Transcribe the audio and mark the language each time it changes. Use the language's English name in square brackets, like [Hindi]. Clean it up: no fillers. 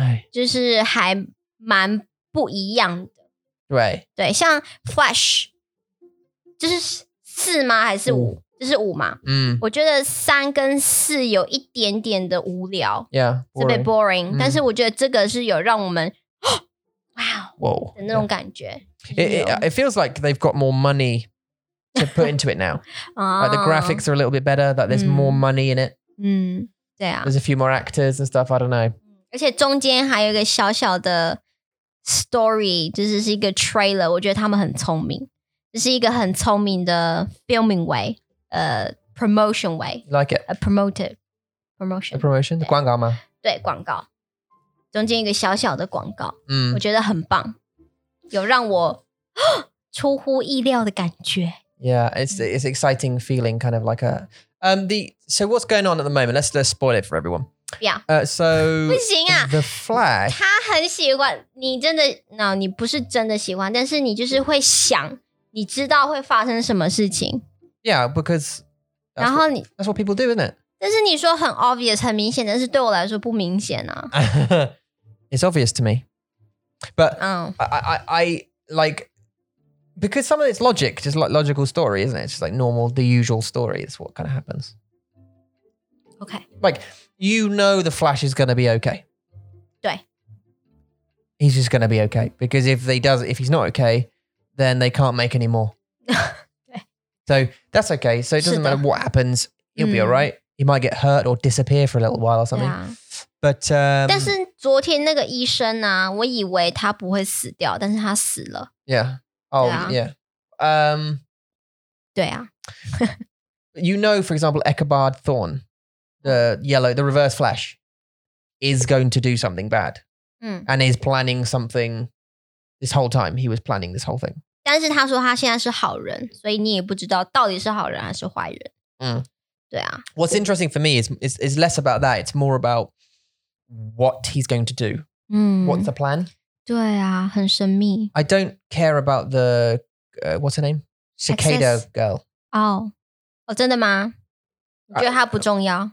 [Chinese] 就是还蛮不一样的。对，像 Flash， 这是四吗？还是五？这是五吗？我觉得三跟四有一点点的无聊，特别 boring。但是我觉得这个是有让我们哇的那种感觉。It [English] feels like they've got more money to put into it now. Like the graphics are a little bit better. That there's more money in it. [Chinese] 对啊, [English] there's a few more actors and stuff, I don't know. [Chinese] 而且中间还有一个小小的 story, 就是一个 trailer, 我觉得他们很聪明, 这是一个很聪明的 [English] filming way, promotion way. You like it? A promotion? [Chinese] 广告吗? 对,广告, 中间一个小小的广告, 我觉得很棒, 有让我, 出乎意料的感觉。 [English] Yeah, it's exciting feeling, kind of like a... So what's going on at the moment? Let's spoil it for everyone. Yeah. So [Chinese] 不行啊, [English] The Flash. [Chinese] 他很喜欢你，真的，你不是真的喜欢，但是你就是会想，你知道会发生什么事情. [English] Yeah, because. [Chinese] 然后你 [English] that's what people do, isn't it? [Chinese] 但是你说很 obvious, 很明显，但是对我来说不明显啊. [English] It's obvious to me, but I like. Because some of it's logic, just like logical story, isn't it? It's just like normal, the usual story is what kind of happens. Okay. Like, you know the Flash is going to be okay. [Chinese] 对. [English] He's just going to be okay. Because if he's not okay, then they can't make any more. [Chinese] 对. [English] So that's okay. So it doesn't [Chinese] 是的. [English] Matter what happens. He'll be all right. He might get hurt or disappear for a little while or something. Yeah. But, [Chinese] 但是昨天那个医生啊，我以为他不会死掉，但是他死了。 [English] Yeah. Oh, yeah. Yeah. You know, for example, Ichabod Thorn, the yellow, the reverse Flash, is going to do something bad. and is planning something this whole time. He was planning this whole thing. [Chinese] 但是他说他现在是好人，所以你也不知道到底是好人还是坏人。嗯，对啊。 [English] What's interesting for me is less about that. It's more about what he's going to do. What's the plan? [Chinese] 对啊，很神秘。 [English] I don't care about the what's her name? Cicada girl. [Chinese] 哦，真的吗？你觉得她不重要？